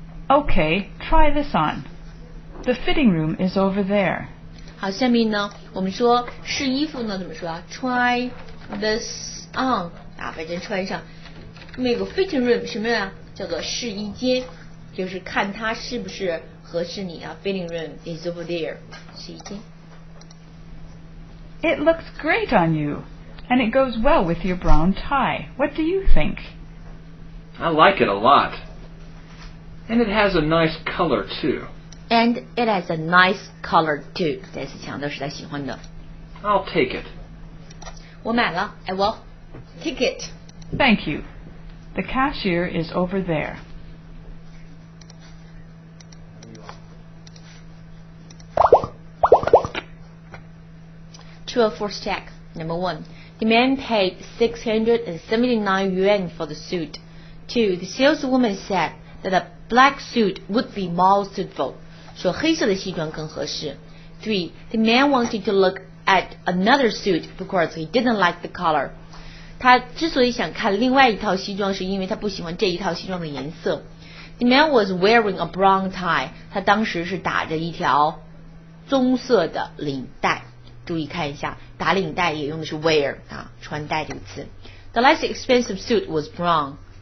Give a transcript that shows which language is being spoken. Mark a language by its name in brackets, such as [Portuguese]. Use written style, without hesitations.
[English] Okay, try this on. The fitting room is over there. [Chinese] 好，下面呢，我们说试衣服呢怎么说啊 ？ [English] Try this on [Chinese] 啊，把这穿上。那个 fitting room 什么呀？叫做试衣间，就是看它是不是合适你啊。 [English] Fitting room is over there. [Chinese] 试衣间。 [English] It looks great on you, and it goes well with your brown tie. What do you think? I like it a lot. And it has a nice color, too. And it has a nice color, too. [Chinese] 再次强调是他喜欢的。 [English] I'll take it. [Chinese] 我买了 [English] I will take it. Thank you. The cashier is over there. To a force check. Number one, the man paid 679 yuan for the suit. Two, the saleswoman said that a black suit would be more suitable. [Chinese] 说黑色的西装更合适。 [English] Three, the man wanted to look at another suit because he didn't like the color. [Chinese] 他之所以想看另外一套西装，是因为他不喜欢这一套西装的颜色。 [English] The man was wearing a brown tie. [Chinese] 他当时是打着一条棕色的领带。注意看一下，打领带也用的是 wear 啊，穿戴这个词。 [English] The less expensive suit was brown.